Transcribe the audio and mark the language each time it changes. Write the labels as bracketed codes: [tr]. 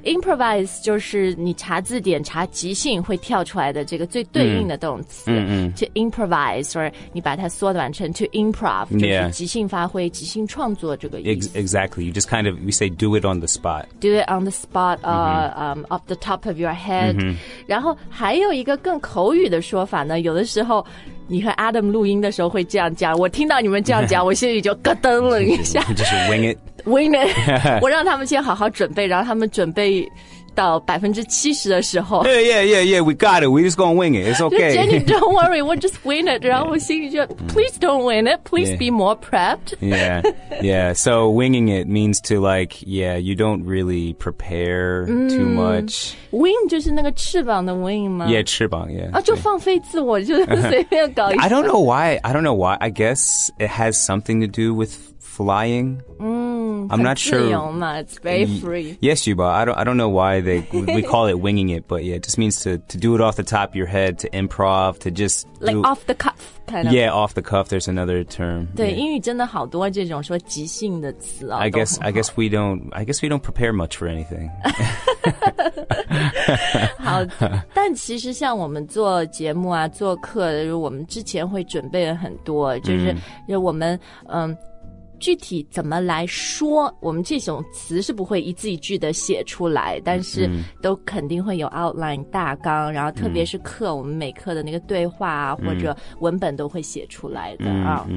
[zh] Improvise 就是你查字典查即兴会跳出来的这个最对应的动词。 [en] To improvise, or [zh] 你把它缩短成 to improv, 就是即兴发挥、即兴创作这个意思。 [en] Exactly. You just kind of, we say do it on the spot. Do it on the spot, off the top of your head. [zh] 然后还有一个更口语的说法呢，有的时候你和 Adam 录音的时候会这样讲，我听到你们这样讲，我心里就咯噔了一下。就是 wing it. [en] Wing it. [zh] 我让他们先好好准备，然后他们准备到70%的时候。 [en] Yeah, yeah, yeah, yeah, we got it. We just gonna wing it. It's okay. Jenny, don't worry, we'll just wing it. [zh] 然后我心里就 [en] please don't wing it. Please be more prepped. Yeah, yeah. So winging it means to like, yeah, you don't really prepare too much. [zh] Wing 就是那个翅膀的 wing 吗？ [en] Yeah, 翅膀, yeah. [zh] 啊，就放飞自我，就随便搞一下。 [en] I don't know why. I guess it has something to do with flying. I'm not sure. It's very free. Yes, Yuba. I don't know why we call it winging it, but yeah, it just means to do it off the top of your head, to improv, to just like off the cuff kind of. Yeah, off the cuff. There's another term. [zh] 对英语真的好多这种说即兴的词啊。 [en] I guess we don't prepare much for anything. [zh] 好，但其实像我们做节目啊，做客，我们之前会准备很多，就是我们具体怎么来说，我们这种词是不会一字一句的写出来，但是都肯定会有 outline 大纲，然后特别是课，我们每课的那个对话啊，或者文本都会写出来的啊。